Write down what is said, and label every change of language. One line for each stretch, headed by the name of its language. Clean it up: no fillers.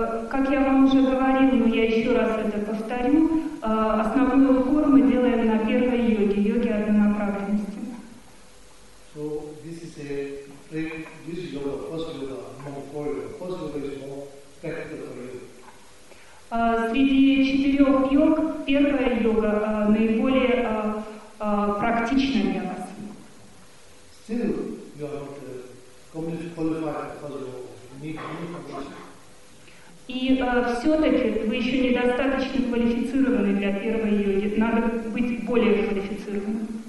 Russian: Как я вам уже говорил, но я еще раз это повторю, основной упор мы делаем на первой йоге, йоге однонаправленности.
English: So, this is a, this is yoga, first yoga, more for you. First yoga is more practical for you.
Russian: Среди четырех йог, первая йога наиболее практична для вас.
English: Still, you are not completely qualified for the yoga. You need any information.
Russian: И все-таки вы еще недостаточно квалифицированы для первой йоги. Надо быть более квалифицированным.